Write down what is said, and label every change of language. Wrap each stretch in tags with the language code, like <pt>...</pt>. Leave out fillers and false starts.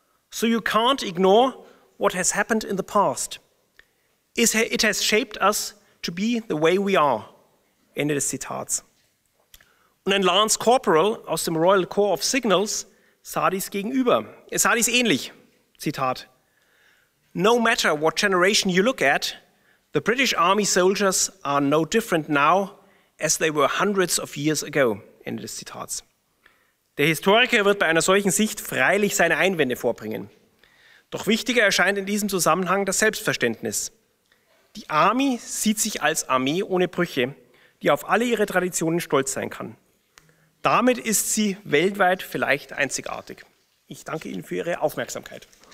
<en>So you can't ignore what has happened in the past. It has shaped us to be the way we are.</en> <de>Ende des Zitats. Und ein Lance Corporal aus dem Royal Corps of Signals sah dies gegenüber. Er sah dies ähnlich. Zitat.</de> <en>No matter what generation you look at, the British Army soldiers are no different now as they were hundreds of years ago.</en> <de>Ende des Zitats. Der Historiker wird bei einer solchen Sicht freilich seine Einwände vorbringen. Doch wichtiger erscheint in diesem Zusammenhang das Selbstverständnis. Die Armee sieht sich als Armee ohne Brüche, die auf alle ihre Traditionen stolz sein kann. Damit ist sie weltweit vielleicht einzigartig. Ich danke Ihnen für Ihre Aufmerksamkeit.</de>